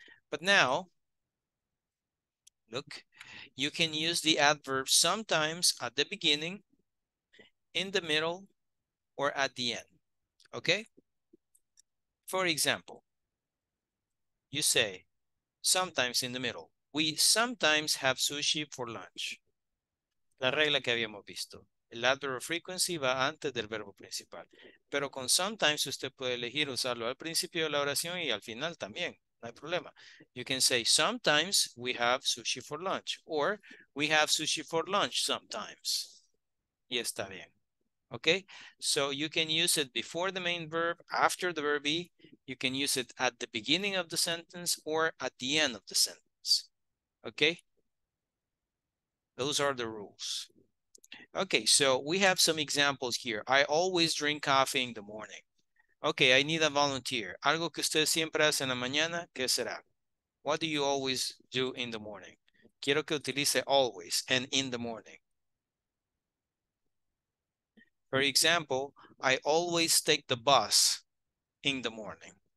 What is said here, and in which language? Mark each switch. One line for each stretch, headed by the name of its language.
English: But now, look, you can use the adverb sometimes at the beginning, in the middle, or at the end, okay? For example, you say, sometimes in the middle, we sometimes have sushi for lunch.
Spanish: La regla que habíamos visto. El adverb of frequency va antes del verbo principal. Pero con sometimes usted puede elegir usarlo al principio de la oración y al final también. No hay problema.
English: You can say, sometimes we have sushi for lunch. Or, we have sushi for lunch sometimes.
Spanish: Y está bien.
English: Okay? So, you can use it before the main verb, after the verb be. You can use it at the beginning of the sentence or at the end of the sentence. Okay? Those are the rules. Okay, so we have some examples here. I always drink coffee in the morning. Okay, I need a volunteer.
Spanish: Algo que usted siempre hace en la mañana, ¿qué será?
English: What do you always do in the morning?
Spanish: Quiero que utilice
English: always and in the morning. For example, I always take the bus in the morning.